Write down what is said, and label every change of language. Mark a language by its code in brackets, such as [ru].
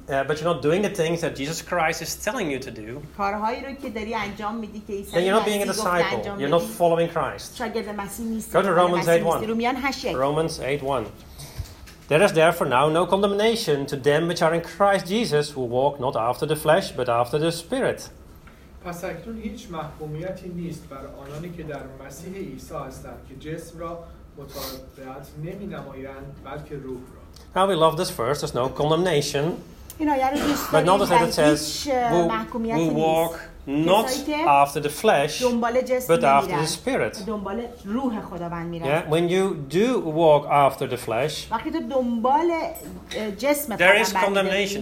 [en] but you're not doing the things that Jesus Christ is telling you to do, then you're not being a disciple. You're not following Christ. Go to Romans 8:1. Romans 8:1. There is therefore now no condemnation to them which are in Christ Jesus, who walk not after the flesh, but after the Spirit. [fa] پس اکنون هیچ محکومیتی نیست بر آنانی که در مسیح عیسی هستند که جسم را متابعت نمی نمایند بلکه روح را. [en] Now we love this verse. There's no condemnation. But notice that it says we walk not after the flesh, but after the spirit. Yeah? When you do walk after the flesh, there is condemnation.